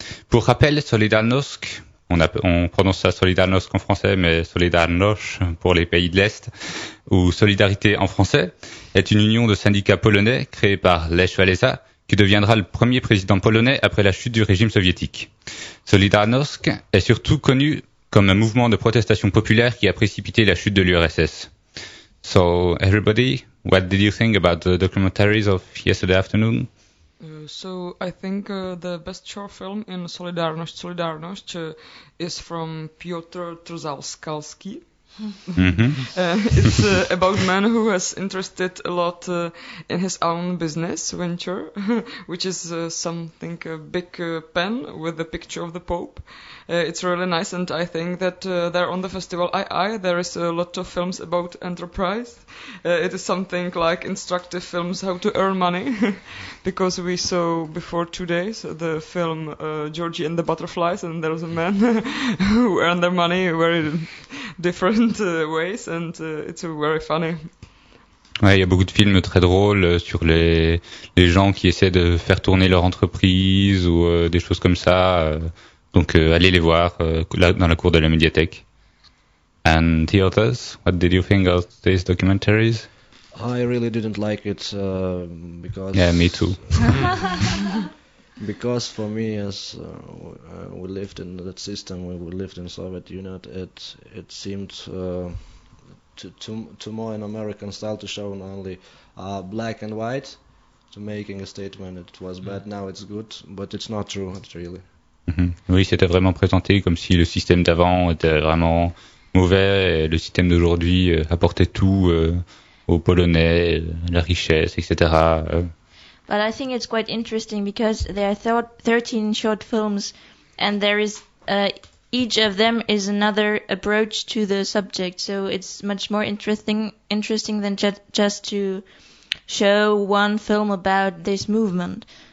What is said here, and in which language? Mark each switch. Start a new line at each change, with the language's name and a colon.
French: Pour rappel, Solidarność, on prononce ça Solidarność en français, mais Solidarność pour les pays de l'Est, ou Solidarité en français, est une union de syndicats polonais créée par Lech Walesa, qui deviendra le premier président polonais après la chute du régime soviétique. Solidarność est surtout connu comme un mouvement de protestation populaire qui a précipité la chute de l'URSS.
English: So, everybody, what did you think about the documentaries of yesterday afternoon? So I think the best short film in Solidarność is from Piotr Truskalski. It's about a man who has interested a lot in his own business venture, which is something a big pen with the picture of the Pope. It's really nice, and I think that there on the festival II there is a lot of films about enterprise. It is something like instructive films how to earn money, because we saw before 2 days the film Georgie and the Butterflies, and there's a man who earned their money very different ways, and it's very funny.
French: Ouais, il y a beaucoup de films très drôles sur les gens qui essaient de faire tourner leur entreprise ou des choses comme ça. Donc allez les voir dans la cour de la médiathèque.
English: And the others, what did you think of these documentaries? I really didn't like it because. Yeah, me too. Because for me, as we lived in that system, when we lived in Soviet Union, it seemed to more in American style to show only black and white, to making a statement it was bad, now it's good, but it's not true, really. Mm-hmm.
French: Oui, c'était vraiment présenté comme si le système d'avant était vraiment mauvais, et le système d'aujourd'hui apportait tout aux Polonais, la richesse, etc.
English: But I think it's quite interesting because there are 13 short films, and there is each of them is another approach to the subject. So it's much more interesting than just to show one film about this movement.